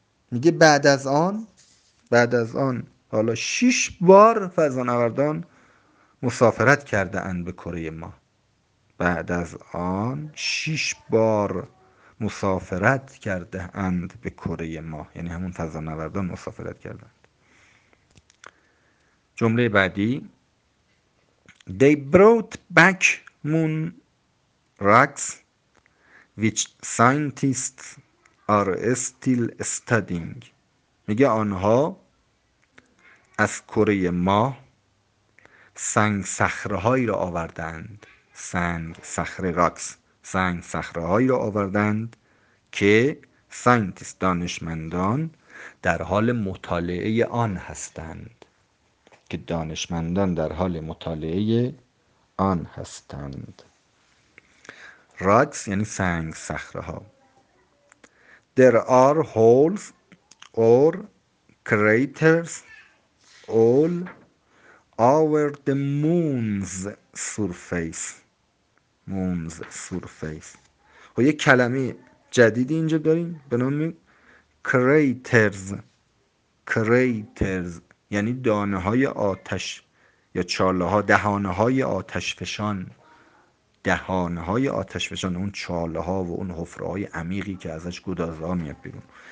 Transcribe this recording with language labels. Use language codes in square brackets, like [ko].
[fa] میگه بعد از آن، بعد از آن حالا 6 بار فضانوردان مسافرت کرده اند به کره ما. بعد از آن 6 بار مسافرت کرده اند به کره ماه، یعنی همون فضانوردان مسافرت کردند. جمله بعدی: [en] They brought back moon rocks which scientists are still studying. [fa] میگه آنها از کره ماه سنگ صخره‌هایی را آوردند، سنگ صخره راکس، سنگ صخره هایی را آوردند که ساینتیست، دانشمندان در حال مطالعه آن هستند، که دانشمندان در حال مطالعه آن هستند. راکس یعنی سنگ صخره ها. [en] There are holes or craters all over the moon's surface. Moon's surface. [fa] خب یه کلمه جدیدی اینجا داریم به نام craters. Craters یعنی دانه های آتش یا چاله ها، دهانه های آتش فشان. دهانه های آتش فشان، اون چاله ها و اون حفره های عمیقی که ازش گدازه ها میاد بیرون.